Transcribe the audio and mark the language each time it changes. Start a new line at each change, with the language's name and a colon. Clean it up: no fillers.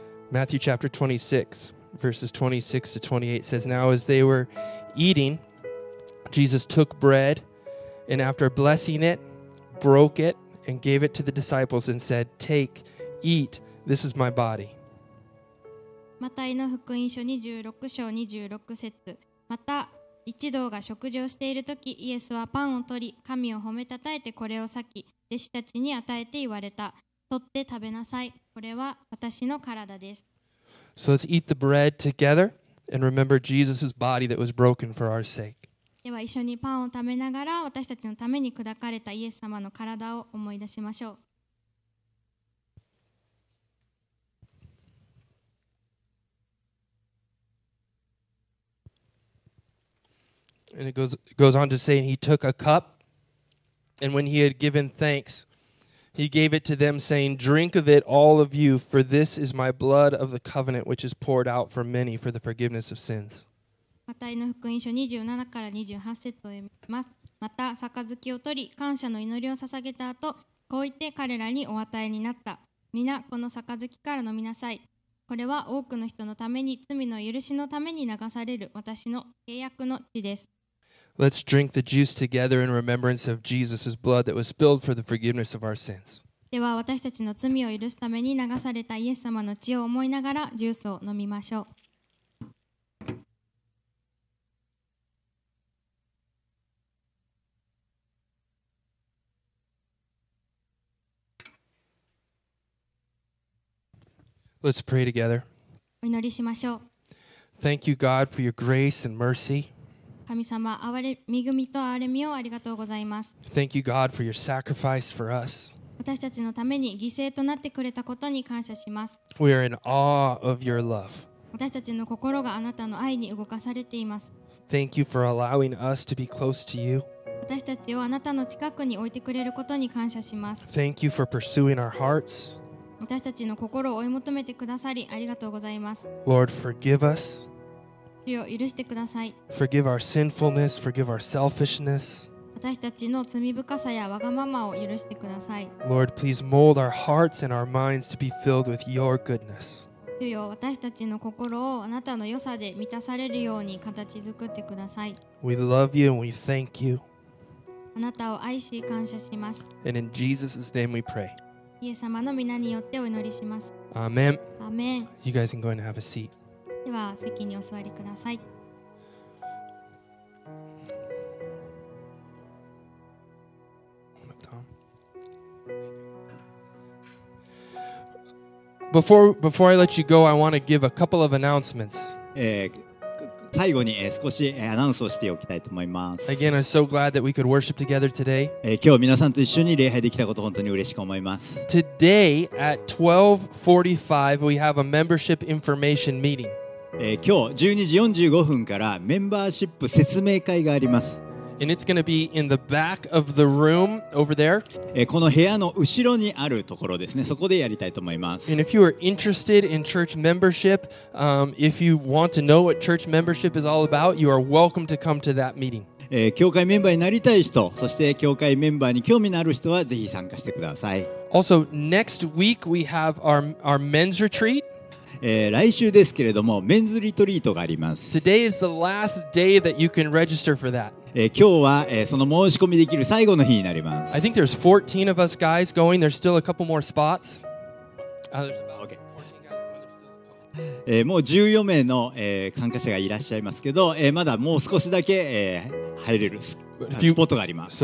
English: Matthew chapter 26, verses 26 to 28 says, Now as they were eating, Jesus took bread, and after blessing it, broke it, and gave it to the disciples, and said, Take, eat, this is my body.
Japanese: マタイの福音書26章26節また一同が食事をしている時、イエスはパンを取り、神を褒めたたえてこれを裂き、弟子たちに与えて言われた。取って食べなさい。これは私の体です。
English: So let's eat the bread together and remember Jesus's body that was broken for our sake.
Japanese: では一緒にパンを食べながら私たちのために砕かれたイエス様の体を思い出しましょう。
English: And it goes on to say, he took a cup and when he had given thanks,He gave it to them, saying, Drink of it, all of you, for this is my blood of the covenant, which is poured out for many for the forgiveness of sins.
Japanese: マタイの福音書27から28節を読みます。また、杯を取り、感謝の祈りを捧げた後、こう言って彼らにお与えになった。皆この杯から飲みなさい。これは多くの人のために、罪の許しのために流される私の契約の血です。
English: Let's drink the juice together in remembrance of Jesus' blood that was spilled for the forgiveness of our sins.
Japanese: では私たちの罪を許すために流されたイエス様の血を思いながらジュースを飲みましょう。
English: Let's pray together.
Japanese: お祈りしましょう。
English: Thank you, God, for your grace and mercy.
Japanese: 神様、恵みと憐れみをありがとうございます。
English: Thank you, God, for your sacrifice for us.
Japanese: 私たちのために犠牲となってくれたことに感謝します。
English: We are in awe of your love.
Japanese: 私たちの心があなたの愛に動かされています。
English: Thank you for allowing us to be close to you.
Japanese: 私たちをあなたの近くに置いてくれることに感謝します。
English: Thank you for pursuing our hearts.
Japanese: 私たちの心を追い求めてくださりありがとうございます。
English: Lord, forgive us.
Japanese: 主よ、許してください。
English: Forgive our sinfulness, forgive our selfishness.
Japanese: 私たちの罪深さやわがままを許してください。
English: Lord, please mold our hearts and our minds to be filled with your goodness.
Japanese: 主よ、私たちの心をあなたの良さで満たされるように形作ってください。
English: We love you and we thank you.
Japanese: あなたを愛し感謝します。
English: And in Jesus' name we pray.
Japanese: イエス様の皆によってお祈りします。アーメン。アーメン。
English: You guys can go and have a seat.
Japanese: では席にお座りください。
English: Before I let you go, I want to give a couple of announcements.
Japanese: 最後に少しアナウンスをしておきたいと思います。
English: Again, I'm so glad that we could worship together today.
Japanese: 今日皆さんと一緒に礼拝できたこと本当に嬉しく思います。
English: Today at 12:45 we have a membership information meeting.
Japanese: 今日12時45分からメンバーシップ説明会があります。
English: And it's going to be in the back of the room over there.
Japanese: この部屋の後ろにあるところですね。そこでやりたいと思います。
English: And if you are interested in church membership, if you want to know what church membership is all about, you are welcome to come to that meeting.
Japanese: 教会メンバーになりたい人、そして教会メンバーに興味のある人はぜひ参加してください。
English: Also, next week we have our men's retreat.
Japanese: 来週ですけれども、メンズリトリートがあります。
English: Today is the last day that you can register for that.
Japanese: 今日は、その申し込みできる最後の日になります。
English: I think there's 14 of us guys going. There's still a couple more spots. There's about 14 guys going.
Japanese: もう14名の、参加者がいらっしゃいますけど、まだもう少しだけ、入れるスポットがあります。